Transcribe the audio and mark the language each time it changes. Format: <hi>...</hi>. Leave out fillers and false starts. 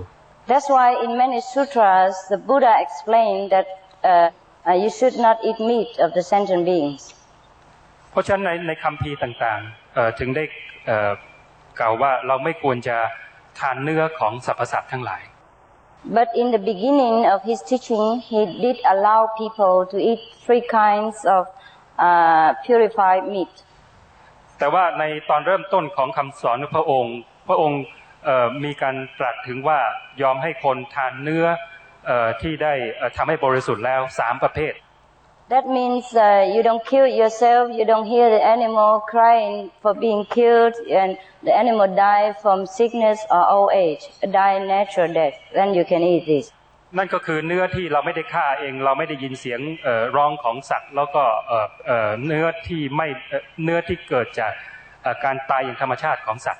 <en>That's why in many sutras the Buddha explained that you should not eat meat of the sentient beings.</en> <th>เพราะฉะนั้นในคัมภีร์ต่างๆถึงได้กล่าวว่าเราไม่ควรจะทานเนื้อของสรรพสัตว์ทั้งหลาย</th> <en>But in the beginning of his teaching he did allow people to eat three kinds of purified meat</en> <th>แต่ว่าในตอนเริ่มต้นของคำสอนพระองค์มีการตรัสถึงว่ายอมให้คนทานเนื้อที่ได้ทำให้บริสุทธิ์แล้ว3ประเภท</th> <en>That means you don't kill yourself, you don't hear the animal crying for being killed, and the animal die from sickness or old age, die natural death. Then you can eat this.</en> <th>นั่นก็คือเนื้อที่เราไม่ได้ฆ่าเองเราไม่ได้ยินเสียงร้องของสัตว์แล้วก็เนื้อที่ไม่เนื้อที่เกิดจากการตายอย่างธรรมชาติของสัตว</th>